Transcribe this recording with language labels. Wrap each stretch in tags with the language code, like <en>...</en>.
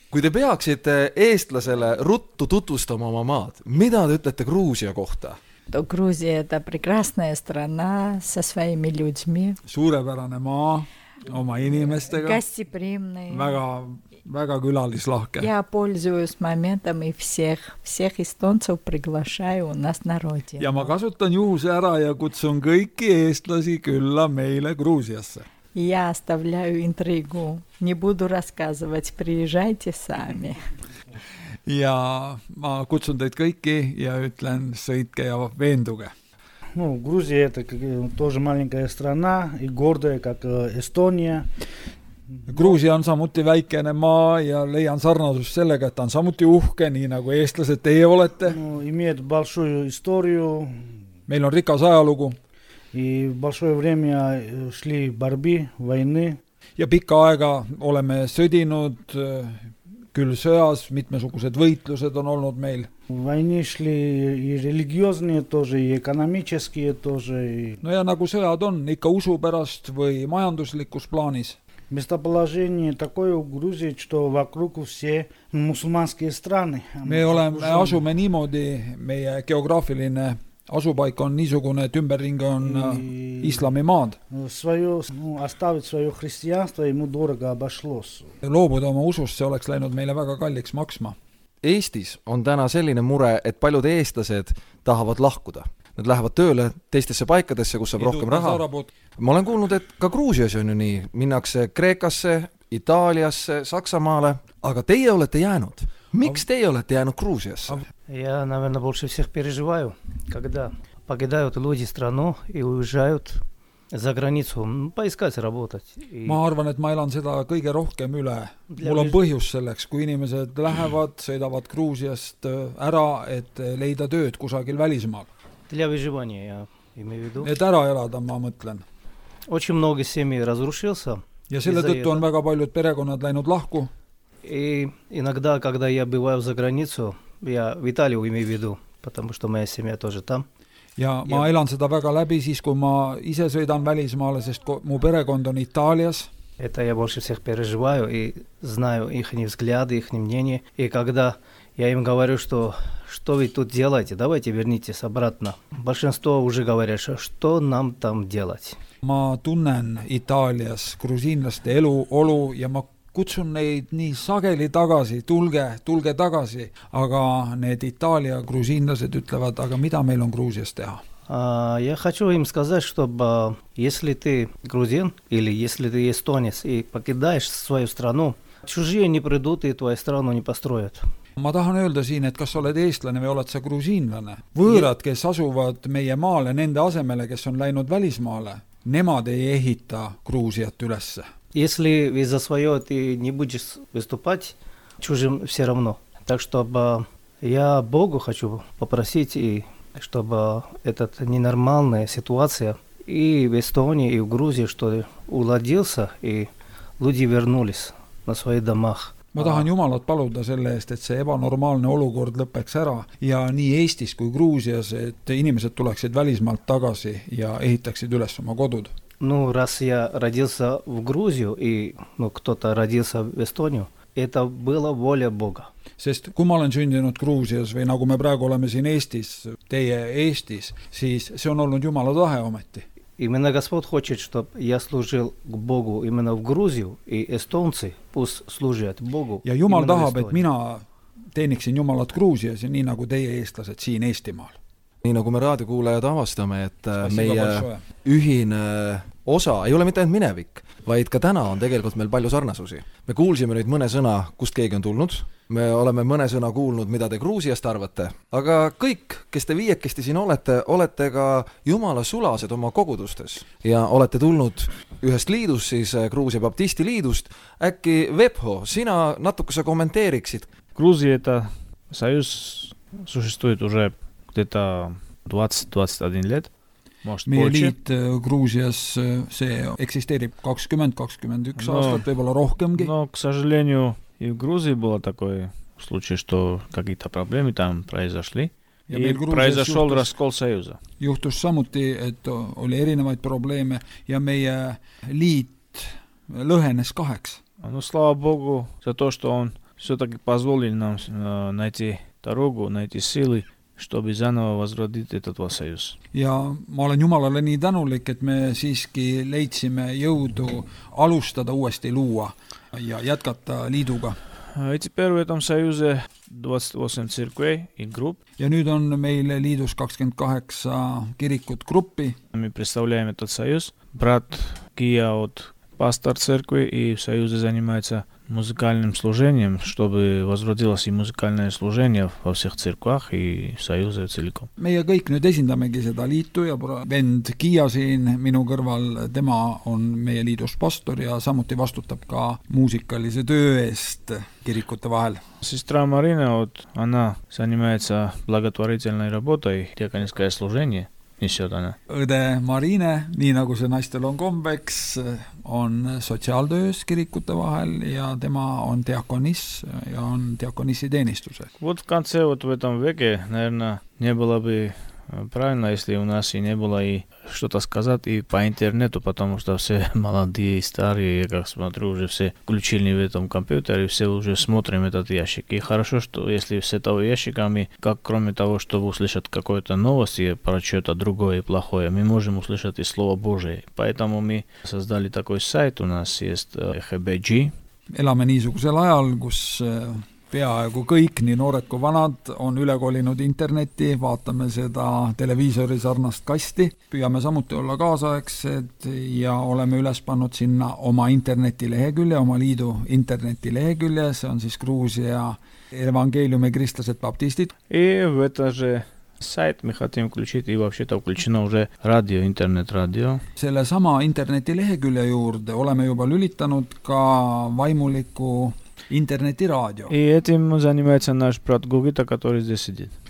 <et>Kui te peaksite eestlasele ruttu tutvustama oma maad, mida te ütlete Gruusia kohta?</et> <ru>To Gruusia ta prekrasna strana sa svojimi ljudmi.</ru> <et>Suurepärane maa. Oma inimestega. Gästiprimne. Väga, väga külalislahke.</et> <ru>Ja pользуюсь моментом и всех эстонцев приглашаю у нас на родину.</ru> <et>Ja ma kasutan juhuse ära ja kutsun kõiki eestlasi külla meile Gruusiasse.</et> <ru>Ja оставляю интригу. Не буду рассказывать, приезжайте сами.</ru> <et>Ja ma kutsun teid kõiki ja ütlen sõitke ja veenduge.</et> <ru>Ну, Грузия – это тоже маленькая страна и гордая, как Эстония.</ru> <et>Грузия on samuti väikene maa ja leian sarnasust sellega, et on samuti uhke, nii nagu eestlased teie olete.</et> <ru>Ну, имеет большую историю.</ru> <et>Meil on rikas ajalugu.</et> <ru>И большое время шли борьбы, войны.</ru> <et>Ja pikka aega oleme sõdinud, küll sõjas, mitmesugused võitlused on olnud meil.</et> <ru>Войны шли и религиозные тоже, и экономические тоже.</ru> <et>No ja nagu sõjad on, ikka usu pärast või majanduslikus plaanis.</et> <ru>Местоположение такое в Грузии, что вокруг все мусульманские страны.</ru> <et>Me oleme, asume niimoodi, meie geograafiline asupaik on niisugune, et ümberring on islami maad.</et> <ru>Оставить свое христианство ему дорого обошлось.</ru> <et>Loobuda oma usust, see oleks läinud meile väga kalliks maksma. Eestis on täna selline mure, et paljud eestlased tahavad lahkuda. Nad lähevad tööle teistesse paikadesse, kus saab rohkem raha. Ma olen kuulnud, et ka Gruusias on ju nii. Minnakse Kreekasse, Itaaliasse, Saksamaale. Aga teie olete jäänud. Miks teie olete jäänud Gruusiasse?</et> <ru>Ja наверное, больше всех переживаю, когда покидают люди страну и уезжают. за границу, поискать работать.</ru> <et>Ma arvan, et ma elan seda kõige rohkem üle. Mul on põhjus selleks, kui inimesed lähevad, sõidavad Gruusiast ära, et leida tööd kusagil välismaal.</et> <ru>Для выживания я имею в виду.</ru> <et>Et ära elada, ma mõtlen.</et> <ru>Очень много семей разрушился.</ru> <et>Ja selle tõttu on väga paljud perekonnad läinud lahku.</et> <ru>И иногда, когда я бываю за границу, я в Италию имею в виду, потому что моя семья тоже там.</ru> <et>Ja ma elan seda väga läbi siis, kui ma ise sõidan välismaale, sest mu perekond on Itaalias.</et> <ru>Это я больше всех переживаю и знаю их взгляды, их мнения. И когда я им говорю, что что вы тут делаете, давайте вернитесь обратно. Большинство уже говорят, что нам там делать.</ru> <et>Ma tunnen Itaalias grusiinlaste elu, olu ja ma kutsun neid nii sageli tagasi, tulge tagasi, aga need Itaalia grusiinlased ütlevad, aga mida meil on Gruusias teha?</et> <ru>Я хочу им сказать, чтобы если ты грузин или если ты эстонец и покидаешь свою страну, чужие не придут и твою страну не построят.</ru> <et>Ma tahan öelda siin, et kas sa oled eestlane või oled sa grusiinlane. Võõrad, kes asuvad meie maale nende asemele, kes on läinud välismaale, nemad ei ehita Gruusiat ülesse.</et> <ru>Если вы за свое ты не будешь выступать, чужим все равно. Так что я Богу хочу попросить, и чтобы эта ненормальная ситуация и в Эстонии, и в Грузии, что уладился, и люди вернулись на своих домах.</ru> <et>Ma tahan Jumalat paluda selle eest, et see ebanormaalne olukord lõpeks ära ja nii Eestis kui Gruusias, et inimesed tuleksid välismaalt tagasi ja ehitaksid üles oma kodud.</et> <ru>Ну, раз я родился в Грузию и ну, кто-то родился в Эстонию, это было воля Бога.</ru> <et>Sest kui ma olen sündinud Gruusias või nagu me praegu oleme siin Eestis, teie Eestis, siis see on olnud Jumala tahe ometi.</et> <ru>Именно Господь хочет, чтобы я служил к Богу именно в Грузию, и эстонцы пусть служат Богу.</ru> <et>Ja Jumal tahab, et mina teeniksin Jumalat Gruusias ja nii nagu teie eestlased siin Eestimaal. Nii nagu me raadiokuulajad avastame, et meie ühine osa ei ole mitte ainult minevik, vaid ka täna on tegelikult meil palju sarnasusi. Me kuulsime nüüd mõne sõna, kust keegi on tulnud. Me oleme mõne sõna kuulnud, mida te Gruusiast arvate. Aga kõik, kes te viiekesti siin olete, olete ka Jumala sulased oma kogudustes. Ja olete tulnud ühest liidust, siis Gruusia Baptisti liidust. Äkki Vepho, sina natuke sa kommenteeriksid.</et> <ru>Gruusieta sajus sussistuid uže teta 20-21 let.</ru> <et>Meie liit Gruusias see eksisteerib 20-21 aastat, võibolla rohkemgi.</et> <ru>No, к сожалению, и в Грузии было такое случай, что какие-то проблемы там произошли. Ja и произошел раскол союза.</ru> <et>Juhtus samuti, et oli erinevaid probleeme ja meie liit lõhenes kaheks.</et> <ru>No, слава Богу, за то, что он все-таки позволил нам найти дорогу, найти силы. Чтобы заново возродить этот ваш союз.</ru> <et>Ja ma olen Jumalale nii tänulik, et me siiski leidsime jõudu alustada uuesti luua ja jätkata liiduga.</et> <ru>Теперь в этом союзе 28 церквей и групп.</ru> <et>Ja nüüd on meil liidus 28 kirikut gruppi.</et> <ru>Me представляем этот союз. Брат Кия от пастор церкви и в союзе занимается музыкальным служением, чтобы возродилось и музыкальное служение во всех церквах и в союзе целиком.</ru> <et>Meie kõik nüüd esindamegi seda liitu ja vend Kia siin minu kõrval, tema on meie liidus pastor ja samuti vastutab ka muusikalise töö eest kirikute vahel.</et> <ru>Sestra Marina, вот она занимается благотворительной работой, диаконское служение.</ru> <et>Õde Marine, nii nagu see naistel on kombeks, on sotsiaaltöös kirikute vahel ja tema on diakonis ja on diakonisi teenistuse.</et> <ru>Вот конце вот в этом веке, наверное, не было бы правильно, если у нас и не было и что-то сказать и по интернету, потому что все молодые и старые, я как смотрю, уже все включили в этом компьютере, все уже смотрим этот ящик. И хорошо, что если с этого ящика мы, как кроме того, чтобы услышать какую-то новость и про что-то другое и плохое, мы можем услышать и Слово Божие. Поэтому мы создали такой сайт, у нас есть HBG.</ru> <et>Elame niisugusel ajal, kus peaaegu kõik, nii noored kui vanad, on üle kolinud interneti, vaatame seda televiisori sarnast kasti, püüame samuti olla kaasaegsed ja oleme üles pannud sinna oma interneti lehekülje, oma liidu interneti lehekülje, see on siis Gruusia Evangeeliumi kristlased baptistid. Ja võtta see</et> <ru>сайт мы хотим включить, и вообще-то включено уже радио, интернет-радио.</ru> <et>Selle sama interneti-lehekülje juurde oleme juba lülitanud ka vaimuliku interneti-raadio.</et> <ru>И этим занимается наш брат Гогита, который здесь сидит.</ru>